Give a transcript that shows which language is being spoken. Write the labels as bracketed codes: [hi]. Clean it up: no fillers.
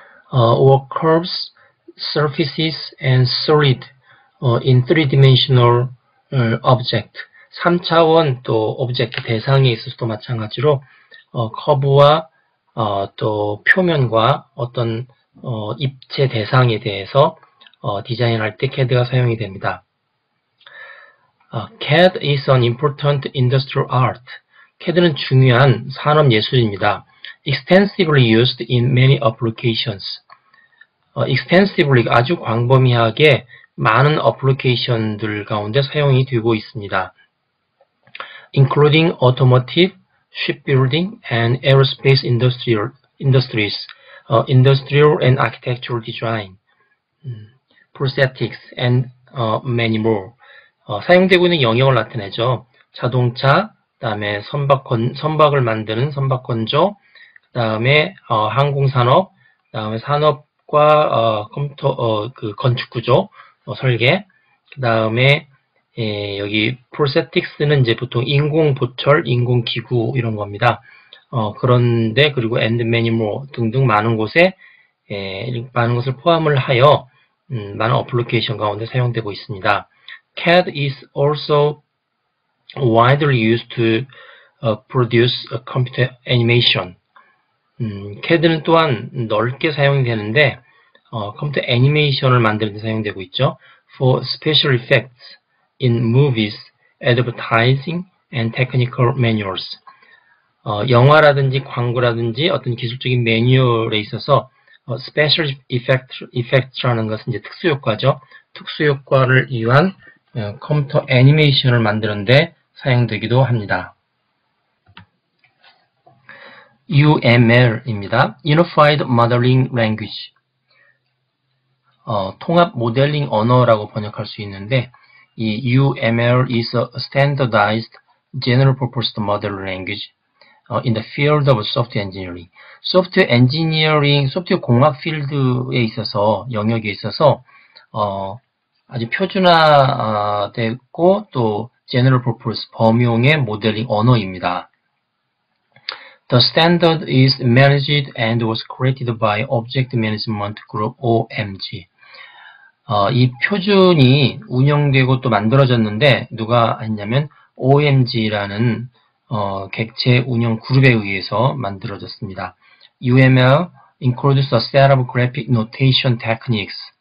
[en] Or curves, surfaces, and solid in three-dimensional object. [ko] 3차원 또 오브젝트 대상에 있어서도 마찬가지로 커브와 또 표면과 어떤 입체 대상에 대해서 디자인할 때 CAD가 사용이 됩니다. [en] CAD is an important industrial art. [ko] CAD는 중요한 산업 예술입니다. [en] Extensively used in many applications. Extensively, [ko] 아주 광범위하게 많은 어플리케이션들 가운데 사용이 되고 있습니다. [en] Including automotive, shipbuilding, and aerospace industries, industrial and architectural design, prosthetics, and many more. [ko] 사용되고 있는 영역을 나타내죠. 자동차, 그다음에 선박을 만드는 선박 건조, 그다음에 항공산업, 그다음에 산업 과 컴퓨터 그 건축 구조 설계 그다음에 여기 프로세틱스는 이제 보통 인공 보철 인공 기구 이런 겁니다. 그런데 그리고 [en] and many more [ko] 등등 많은 곳에 많은 것을 포함을 하여 많은 어플리케이션 가운데 사용되고 있습니다. [en] CAD is also widely used to produce a computer animation. [ko] CAD는 또한 넓게 사용이 되는데 컴퓨터 애니메이션을 만드는 데 사용되고 있죠. [en] For special effects in movies, advertising, and technical manuals. [ko] 영화라든지 광고라든지 어떤 기술적인 매뉴얼에 있어서 special effect라는 것은 이제 특수효과죠. 특수효과를 위한 컴퓨터 애니메이션을 만드는데 사용되기도 합니다. UML입니다. [en] Unified Modeling Language. [ko] 통합 모델링 언어라고 번역할 수 있는데, 이 [en] UML is a standardized general purpose model language in the field of software engineering. Software engineering, [ko] 소프트웨어 공학 필드에 있어서, 영역에 있어서, 아주 표준화되고, 또, general purpose, 범용의 모델링 언어입니다. [en] The standard is managed and was created by Object Management Group, OMG. [ko] 이 표준이 운영되고 또 만들어졌는데 누가 했냐면 OMG라는 객체 운영 그룹에 의해서 만들어졌습니다. [en] UML includes a set of graphic notation techniques.